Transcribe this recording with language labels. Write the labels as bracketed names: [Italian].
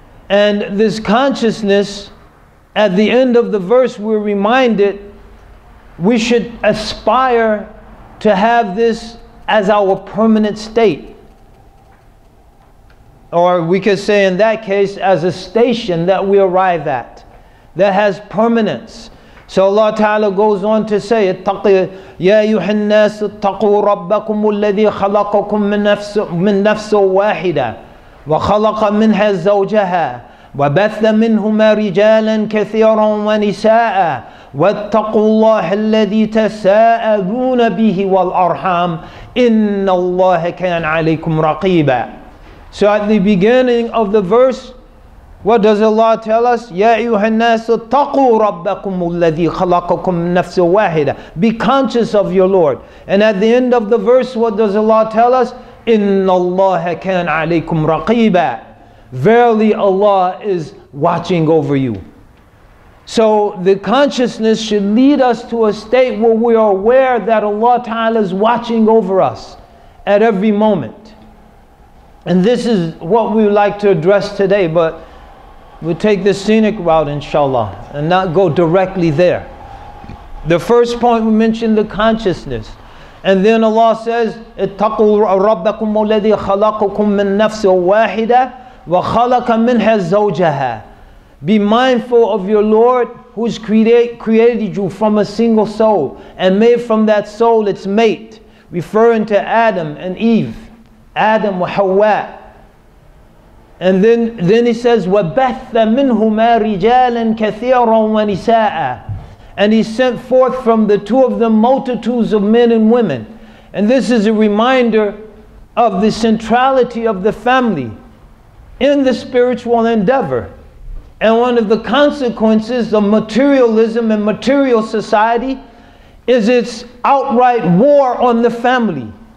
[English] And this consciousness, at the end of the verse, we're reminded we should aspire to have this as our permanent state. Or we could say in that case, as a station that we arrive at, that has permanence. So Allah Ta'ala goes on to say, [Arabic] يَا أَيُّهَا النَّاسُ اتَّقُوا رَبَّكُمُ الَّذِي خَلَقَكُم مِّن نَّفْسٍ وَاحِدَةٍ وَخَلَقَ مِنْهَا زَوْجَهَا وَبَثَّ مِنْهُمَا رِجَالًا كَثِيرًا وَنِسَاءً واتقوا الله الذي تساءلون به والأرحام إن الله كان عليكم رقيبا. [English] So at the beginning of the verse, what does Allah tell us? [Arabic] يا أيها الناس اتقوا ربكم الذي خلقكم نفس واحدة. [English] Be conscious of your Lord. And at the end of the verse, what does Allah tell us? [Arabic] إن الله كان عليكم رقيبا. [English] Verily Allah is watching over you. So the consciousness should lead us to a state where we are aware that Allah Ta'ala is watching over us at every moment. And this is what we would like to address today, but we'll take the scenic route inshallah and not go directly there. The first point we mentioned, the consciousness. And then Allah says, [Arabic] اتقوا ربكم الذي خلقكم من نفس واحدة وخلق منها زوجها. [English] Be mindful of your Lord who's created you from a single soul and made from that soul its mate, referring to Adam and Eve, Adam wa Hawa. And then he says, [Arabic] وَبَثَّ مِنْهُمَا رِجَالًا كَثِيرًا وَنِسَاءً. [English] And he sent forth from the two of them multitudes of men and women. And this is a reminder of the centrality of the family in the spiritual endeavor. And one of the consequences of materialism and material society is its outright war on the family.